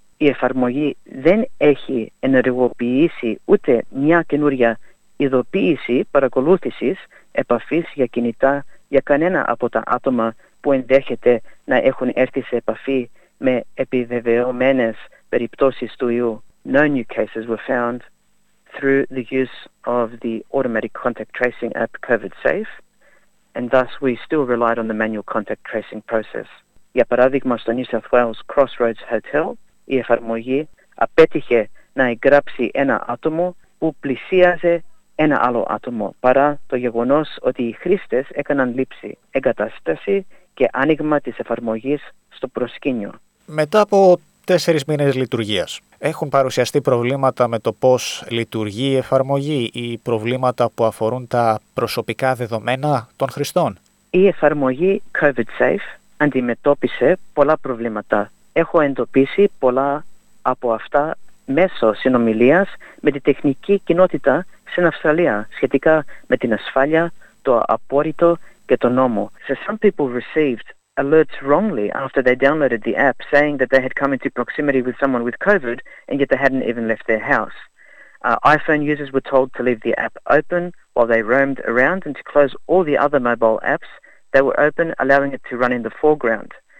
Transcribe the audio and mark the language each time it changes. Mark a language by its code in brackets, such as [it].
[el] Η εφαρμογή δεν έχει ενεργοποιήσει ούτε μια καινούρια ειδοποίηση παρακολούθησης επαφής για κινητά για κανένα από τα άτομα που ενδέχεται να έχουν έρθει σε επαφή με επιβεβαιωμένες περιπτώσεις του ιού. [en] No new cases were found through the use of the automatic contact tracing app COVID Safe, and thus we still relied on the manual contact tracing process. [el] Για παράδειγμα, στο New South Wales Crossroads Hotel, η εφαρμογή απέτυχε να εγγράψει ένα άτομο που πλησίαζε ένα άλλο άτομο, παρά το γεγονός ότι οι χρήστες έκαναν λήψη, εγκατάσταση και άνοιγμα της εφαρμογής στο προσκήνιο. Μετά από 4 μήνες λειτουργίας, έχουν παρουσιαστεί προβλήματα με το πώς λειτουργεί η εφαρμογή ή προβλήματα που αφορούν τα προσωπικά δεδομένα των χρηστών? Η εφαρμογή COVID Safe αντιμετώπισε πολλά προβλήματα. Έχω εντοπίσει πολλά από αυτά μέσω συνομιλίας με τη τεχνική κοινότητα στην Αυστραλία σχετικά με την ασφάλεια, το απόρριτο και το νόμο. [en] So some people received alerts wrongly after they downloaded the app saying that they had come into proximity with someone with COVID and yet they hadn't even left their house. iPhone users were told to leave the app open while they roamed around and to close all the other mobile apps that were open, allowing it to run in the foreground.